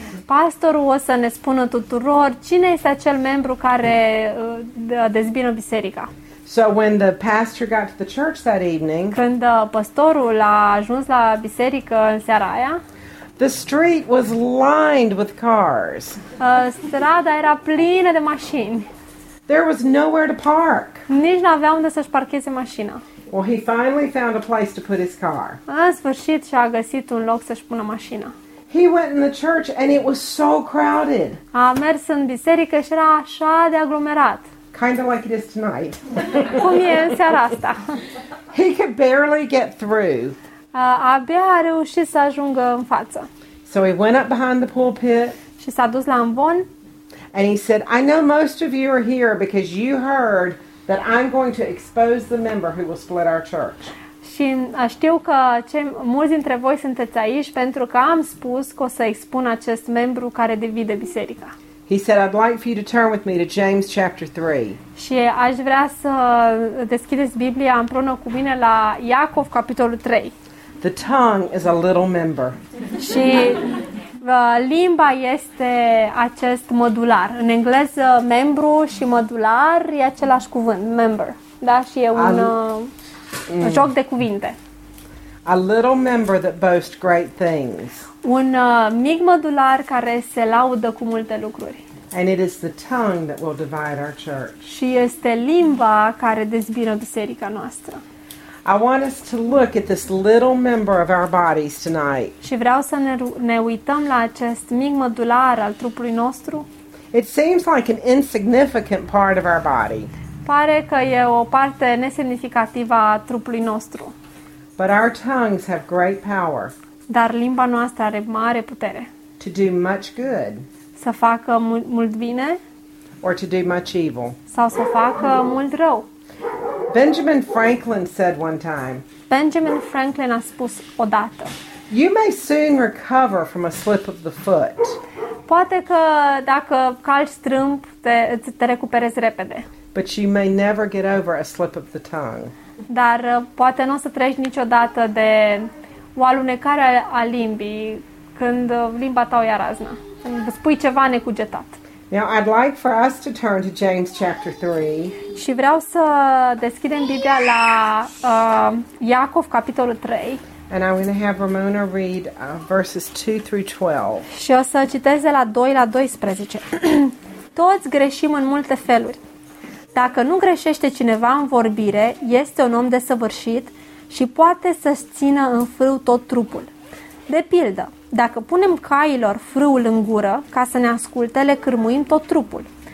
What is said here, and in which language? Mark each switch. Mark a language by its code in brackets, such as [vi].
[ro] Pastorul o să ne spună tuturor cine este acel membru care dezbină biserica. [en] So when the pastor got to the church that evening, [ro] când pastorul a ajuns la biserică în seara aia, [en] the street was lined with cars. [ro] Strada era plină de mașini. [en] There was nowhere to park. [ro] Nici nu avea unde să-și parcheze mașina. [en] Well, he finally found a place to put his car. [ro] În sfârșit și-a găsit un loc să-și pună mașina. [en] He went in the church and it was so crowded. [ro] A mers în biserică și era așa de aglomerat. [en] Kind of like it is tonight. [ro] Cum e în seara asta? [en] He could barely get through. [ro] Abia a reușit să ajungă în față. [en] So he went up behind the pulpit. [ro] Și s-a dus la amvon. [en] And he said, I know most of you are here because you heard that I'm going to expose the member who will split our church. [ro] Și știu că mulți dintre voi sunteți aici pentru că am spus că o să expun acest membru care divide biserica. [en] He said, I'd like for you to turn with me to James chapter 3. [ro] Și aș vrea să deschideți Biblia împreună cu mine la Iacov capitolul 3. [en] The tongue is a little member. [ro] Și limba este acest modular. În engleză, membru și modular e același cuvânt, member. Da? Și e un joc de cuvinte. [en] A little member that boasts great things. [ro] Un mic modular care se laudă cu multe lucruri. [en] And it is the tongue that will divide our church. [ro] Și este limba care dezbină biserica noastră. [en] I want us to look at this little member of our bodies tonight. [ro] Și vreau să ne uităm la acest mic modular al trupului nostru. [en] It seems like an insignificant part of our body. [ro] Pare că e o parte nesemnificativă a trupului nostru. [en] But our tongues have great power. [ro] Dar limba noastră are mare putere. [en] To do much good. [ro] Să facă mult bine. [en] Or to do much evil. [ro] Sau să facă mult rău. [en] Benjamin Franklin said one time. [ro] Benjamin Franklin a spus odată. [en] You may soon recover from a slip of the foot. [ro] Poate că dacă calci strâmb te recuperezi repede. [en] But you may never get over a slip of the tongue. [ro] Dar poate nu o să treci niciodată de o alunecare a limbii când limba ta o ia razna. Când spui ceva necugetat. [en] Now I'd like for us to turn to James chapter 3. [ro] Și vreau să deschidem Biblia la Iacov capitolul 3. [en] And I'm going to have Ramona read verses 2 through 12. [ro] Și o să citesc de la 2 la 12. Toți greșim în multe feluri. Dacă nu greșește cineva în vorbire, este un om desăvârșit și poate să-și țină în frâu tot trupul. De pildă, dacă punem cailor frâul în gură ca să ne asculte, le cârmuim tot trupul.